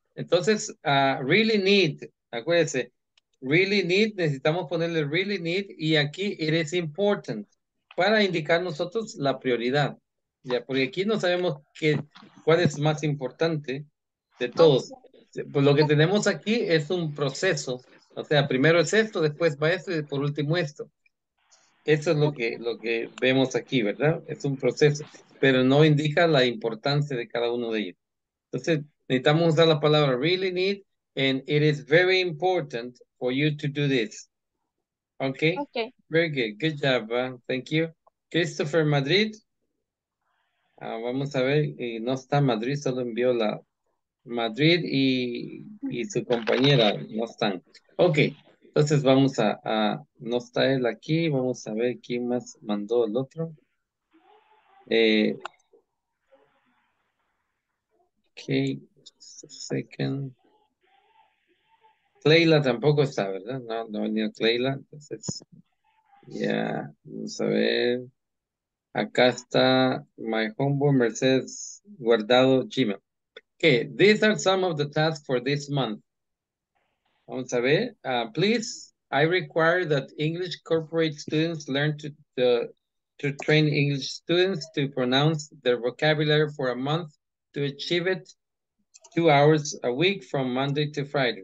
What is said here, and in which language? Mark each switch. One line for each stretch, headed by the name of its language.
Spanish: Entonces,
English: really need,
Spanish: acuérdense, really need, necesitamos ponerle really need, y aquí
English: it is important,
Spanish: para indicar nosotros la prioridad, ya, porque aquí no sabemos cuál es más importante de todos. Pues lo que tenemos aquí es un proceso. O sea, primero es esto, después va esto y por último esto. Eso es lo que vemos aquí, ¿verdad? Es un proceso, pero no indica la importancia de cada uno de ellos. Entonces, necesitamos usar la palabra
English: really need and it is very important for you to do this. Okay? Okay. Very good. Good job. Thank you. Christopher Madrid.
Spanish: Vamos a ver. No está Madrid, solo envió la... Madrid y su compañera no están. Ok, entonces vamos a no está él aquí, vamos a ver quién más mandó el otro.
English: Ok, second.
Spanish: Cleila tampoco está, ¿verdad? No venía Cleila, entonces ya, vamos a ver. Acá está
English: my homeboy
Spanish: Mercedes Guardado Gmail.
English: Okay, these are some of the tasks for this month.
Spanish: Vamos a ver.
English: Please, I require that English corporate students learn to train English students to pronounce their vocabulary for a month to achieve it 2 hours a week from Monday to Friday.